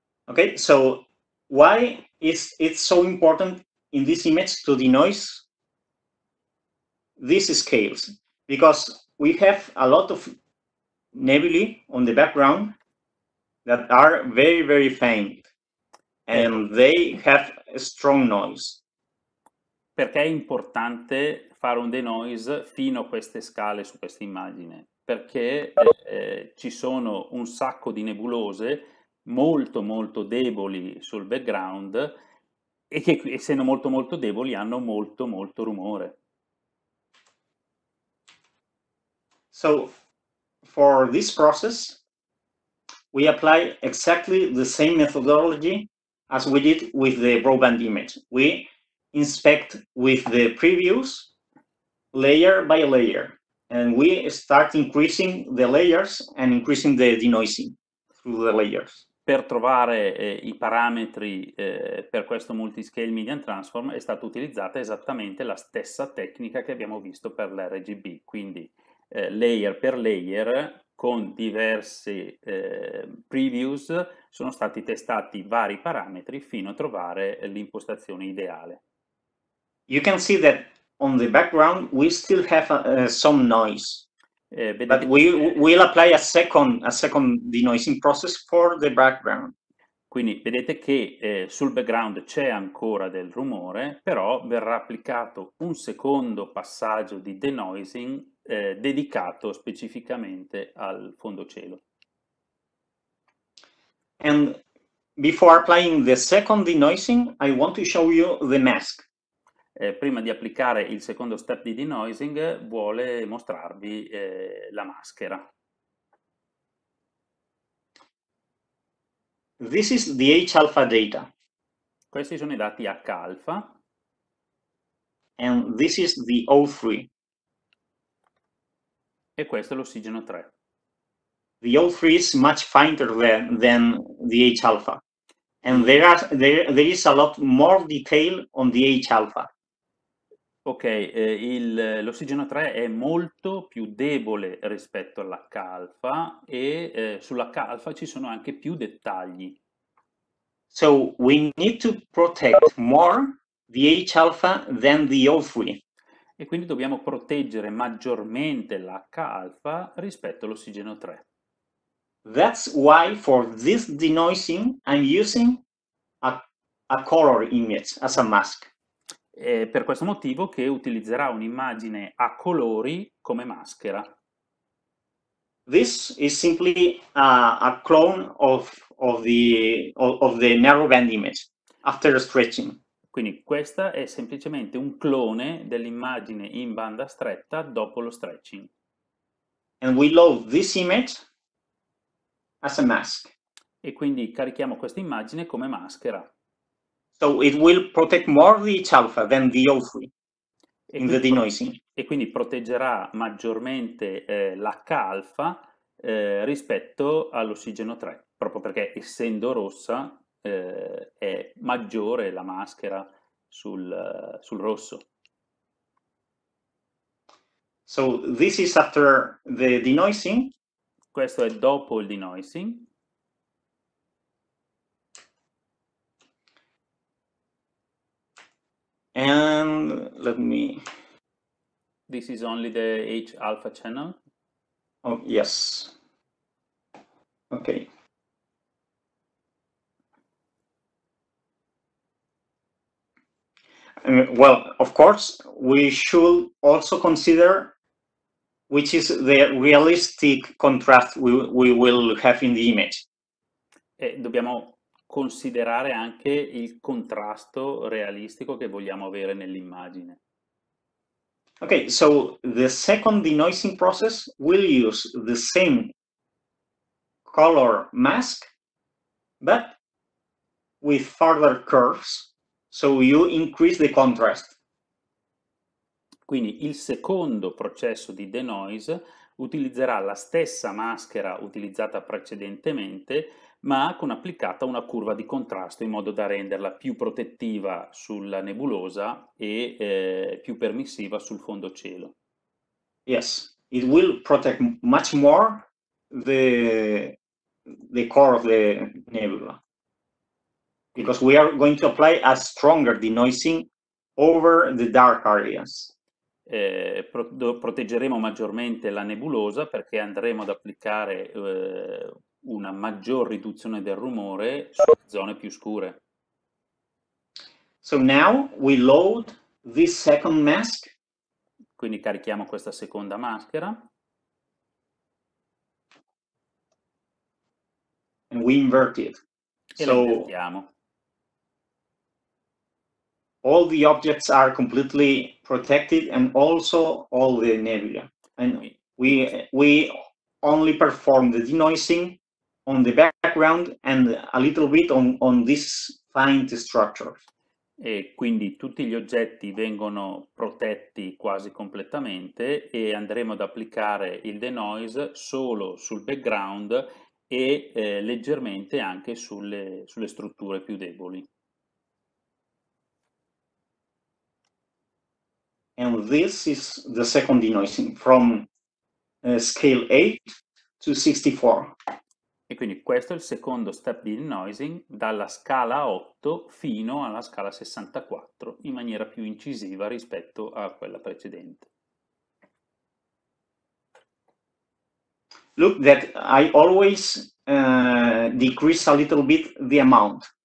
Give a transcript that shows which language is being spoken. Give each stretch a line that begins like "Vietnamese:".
English: Okay, so why is it so important in this image to denoise these scales? Because we have a lot of nebulae on the background that are very, very faint, and they have a strong noise.
Italian: Perché è importante fare un denoise fino a queste scale su questa immagine? Perché ci sono un sacco di nebulose molto molto deboli sul background e che, essendo molto molto deboli, hanno molto molto rumore.
English: So for this process we apply exactly the same methodology as we did with the broadband image. We inspect with the previews layer by layer, and we start increasing the layers and increasing the denoising through the layers.
Italian: Per trovare i parametri per questo multiscale median transform è stata utilizzata esattamente la stessa tecnica che abbiamo visto per l'RGB, quindi layer per layer con diversi previews sono stati testati vari parametri fino a trovare l'impostazione ideale.
English: You can see that on the background we still have some noise. But we will apply a second denoising process for the background.
Italian: Quindi vedete che sul background c'è ancora del rumore, però verrà applicato un secondo passaggio di denoising dedicato specificamente al fondocielo.
English: And before applying the second denoising, I want to show you the mask.
Italian: Prima di applicare il secondo step di denoising, vuole mostrarvi la maschera.
English: This is the H alpha data.
Italian: Questi sono i dati H alpha.
English: And this is the O3.
Italian: E questo è l'ossigeno 3.
English: The O3 is much finer than the H alpha. And there is a lot more detail on the H alpha.
Italian: Ok, l'ossigeno 3 è molto più debole rispetto all'H-alfa e sull'H-alfa ci sono anche più dettagli.
English: So we need to protect more the H-alfa than the O3.
Italian: E quindi dobbiamo proteggere maggiormente l'H-alfa rispetto all'ossigeno 3.
English: That's why for this denoising I'm using a color image as a mask.
Italian: È per questo motivo che utilizzerà un'immagine a colori come maschera.
English: This is simply a clone of the narrowband image after stretching.
Italian: Quindi questa è semplicemente un clone dell'immagine in banda stretta dopo lo stretching.
English: And we load this image as a mask.
Italian: E quindi carichiamo questa immagine come maschera.
English: So it will protect more the H alpha than the O3 in the denoising.
Italian: E quindi proteggerà maggiormente l'H alfa rispetto all'ossigeno 3, proprio perché essendo rossa è maggiore la maschera sul rosso.
English: So this is after the denoising.
Italian: Questo è dopo il denoising.
English: And let me. This is only the H alpha channel. Oh yes. Okay. Well, of course, we should also consider which is the realistic contrast we will have in the image.
Italian: E dobbiamo considerare anche il contrasto realistico che vogliamo avere nell'immagine.
English: Okay, so the second denoising process will use the same color mask, but with further curves, so you increase the contrast.
Italian: Quindi il secondo processo di denoise utilizzerà la stessa maschera utilizzata precedentemente, ma con applicata una curva di contrasto in modo da renderla più protettiva sulla nebulosa e più permissiva sul fondo cielo.
English: Yes, it will protect much more the core of the nebula. Because we are going to apply a stronger denoising over the dark areas.
Italian: Proteggeremo maggiormente la nebulosa perché andremo ad applicare una maggior riduzione del rumore su zone più scure.
English: So now we load this second mask.
Italian: Quindi carichiamo questa seconda maschera.
English: And we invert it.
Italian: E la invertiamo.
English: All the objects are completely protected and also all the nebula. And we only perform the denoising on the background and a little bit on this fine structure.
Italian: E quindi tutti gli oggetti vengono protetti quasi completamente e andremo ad applicare il denoise solo sul background e leggermente anche sulle strutture più deboli.
English: And this is the second denoising from scale 8 to 64.
Italian: E quindi questo è il secondo step di denoising dalla scala 8 fino alla scala 64 in maniera più incisiva rispetto a quella precedente.
English: Look that I always decrease a little bit the amount.